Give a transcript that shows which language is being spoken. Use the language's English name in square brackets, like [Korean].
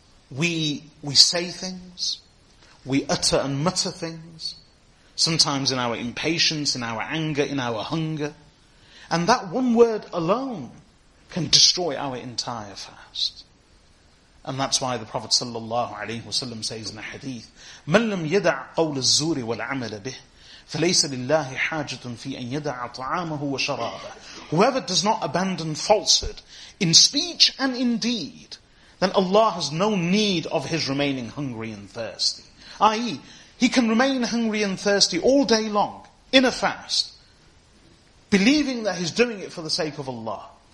[English] We say things, we utter and mutter things, sometimes in our impatience, in our anger, in our hunger. And that one word alone can destroy our entire fast. And that's why the Prophet sallallahu alaihi wasallam says in a hadith, [Arabic] مَنْ لَمْ يَدَعْ قَوْلَ الزُّورِ وَالْعَمَلَ بِهِ فَلَيْسَ لِلَّهِ حَاجَةٌ فِي أَنْ يَدَعَ طَعَامَهُ وَشَرَابَهُ. [English] Whoever does not abandon falsehood in speech and in deed, then Allah has no need of his remaining hungry and thirsty. I.e., he can remain hungry and thirsty all day long in a fast, believing that he's doing it for the sake of Allah.